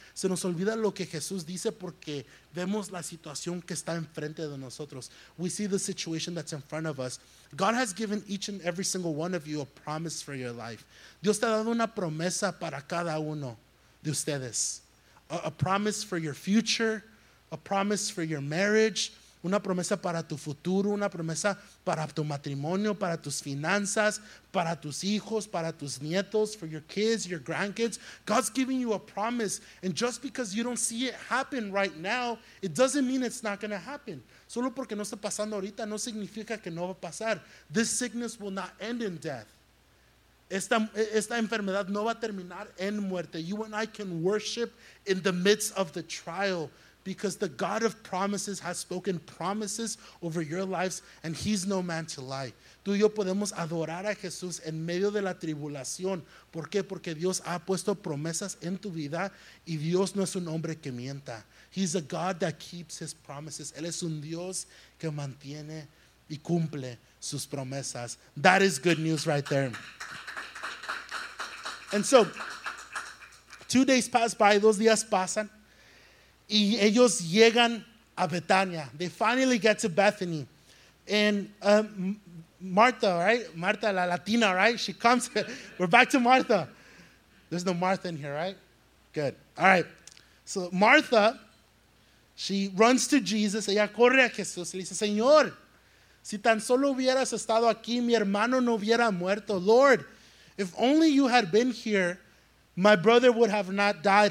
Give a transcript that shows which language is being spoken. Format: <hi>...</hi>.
<es>Se nos olvida lo que Jesús dice porque vemos la situación que está enfrente de nosotros.</es> <en>We see the situation that's in front of us. God has given each and every single one of you a promise for your life.</en> <es>Dios te ha dado una promesa para cada uno de ustedes.</es> <en>A promise for your future, a promise for your marriage,</en> <es>una promesa para tu futuro, una promesa para tu matrimonio, para tus finanzas, para tus hijos, para tus nietos,</es> <en>for your kids, your grandkids. God's giving you a promise. And just because you don't see it happen right now, it doesn't mean it's not going to happen.</en> <es>Solo porque no está pasando ahorita, no significa que no va a pasar.</es> <en>This sickness will not end in death.</en> <es>Esta enfermedad no va a terminar en muerte.</es> <en>You and I can worship in the midst of the trial. Because the God of promises has spoken promises over your lives, and He's no man to lie.</en> <es>Tú y yo podemos adorar a Jesús en medio de la tribulación. ¿Por qué? Porque Dios ha puesto promesas en tu vida, y Dios no es un hombre que mienta.</es> <en>He's a God that keeps His promises.</en> <es>Él es un Dios que mantiene y cumple sus promesas.</es> <en>That is good news right there. And so, 2 days pass by,</en> <es>2 días pasan. Y ellos llegan a Betania.</es> <en>They finally get to Bethany. And Martha, right? Martha, la Latina, right? She comes. We're back to Martha. There's no Martha in here, right? Good. All right. So Martha, she runs to Jesus.</en> <es>Ella corre a Jesús. Le dice, Señor, si tan solo hubieras estado aquí, mi hermano no hubiera muerto.</es> <en>Lord, if only you had been here, my brother would have not died.</en>